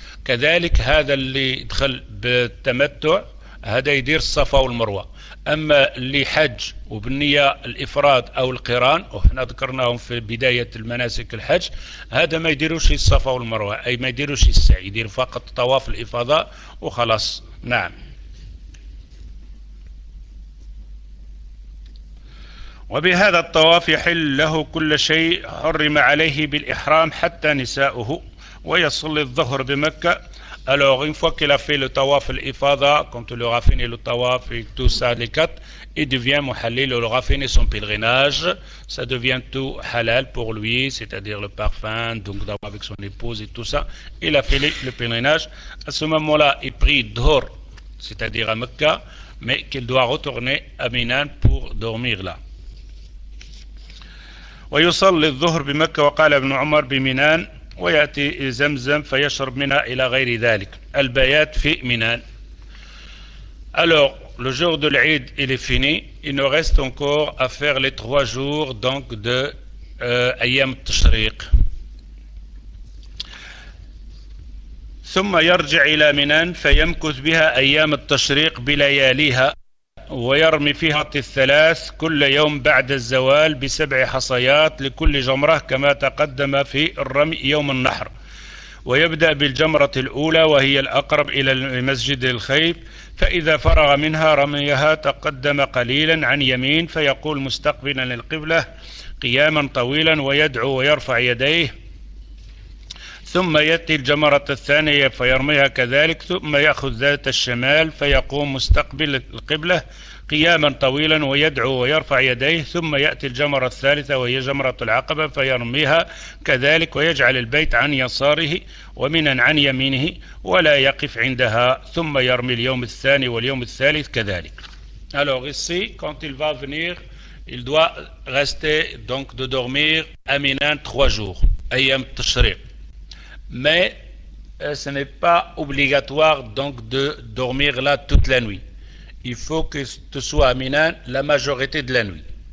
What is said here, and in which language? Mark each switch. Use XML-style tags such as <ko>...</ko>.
<ar>كذلك هذا اللي دخل بالتمتع هذا يدير الصفا والمروه، اما اللي حج وبالنية الافراد او القران وحنا ذكرناهم في بدايه المناسك الحج هذا ما يديروش الصفا والمروه، اي ما يديروش السعي، يدير فقط طواف الافاضه وخلاص. نعم. وبهذا الطواف يحل له كل شيء حرم عليه بالإحرام حتى نساؤه، ويصلي الظهر بمكة.</ar> <fr>Alors une fois qu'il a fait le tawaf al-ifada, quand il aura fini le tawaf et tout ça, les quatre, il devient muhallil, il aura fini son pèlerinage, ça devient tout halal pour lui, c'est-à-dire le parfum, donc d'avoir avec son épouse et tout ça, il a fini le pèlerinage. À ce moment-là, il prie dhur, c'est-à-dire à Mecca, mais qu'il doit retourner à Minan pour dormir là.</fr> <ar>ويصلي الظهر بمكة، وقال ابن عمر بمنان، ويأتي زمزم فيشرب منها إلى غير ذلك. البيات في منان.</ar> <fr>Alors, le jour de l'Eid, il est fini. Il nous reste encore à faire les trois jours, donc, de أيام التشريق.</fr> <ar>ثم يرجع إلى منان فيمكث بها أيام التشريق بلياليها. ويرمي فيها الثلاث كل يوم بعد الزوال بسبع حصيات لكل جمرة كما تقدم في الرمي يوم النحر، ويبدأ بالجمرة الأولى وهي الأقرب إلى المسجد الخيب، فإذا فرغ منها رميها تقدم قليلا عن يمين فيقول مستقبلا للقبلة قياما طويلا ويدعو ويرفع يديه، ثم يأتي الجمرة الثانية فيرميها كذلك، ثم يأخذ ذات الشمال فيقوم مستقبل القبلة قياما طويلا ويدعو ويرفع يديه، ثم يأتي الجمرة الثالثة وهي جمرة العقبة فيرميها كذلك، ويجعل البيت عن يساره ومنا عن يمينه ولا يقف عندها، ثم يرمي اليوم الثاني واليوم الثالث كذلك.</ar> <fr>Alors ici, quand il va venir, il doit rester donc de dormir à Minan trois jours, ayam tashriq. Mais ce n'est pas obligatoire donc de dormir là toute la nuit. Il faut que ce soit à Minan la majorité de la nuit.</fr>